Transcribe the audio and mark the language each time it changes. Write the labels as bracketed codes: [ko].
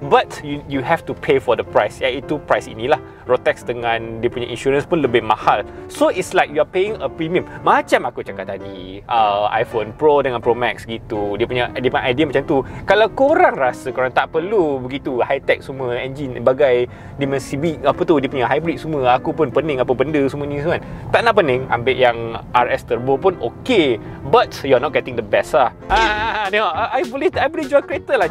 [en] But you have to pay for the price, [ms] iaitu price inilah. Rotax dengan dia punya insurance pun lebih mahal. [en] So it's like you are paying a premium. [ms] Macam aku cakap tadi, iPhone Pro dengan Pro Max gitu, dia punya idea macam tu. Kalau korang rasa korang tak perlu begitu high tech semua engine bagai dimensi big apa tu, dia punya hybrid semua, aku pun pening apa benda semua ni kan, tak nak pening, ambil yang RS Turbo pun okay. [en] But you are not getting the best lah. [ms] Tengok, I boleh jual kereta lah.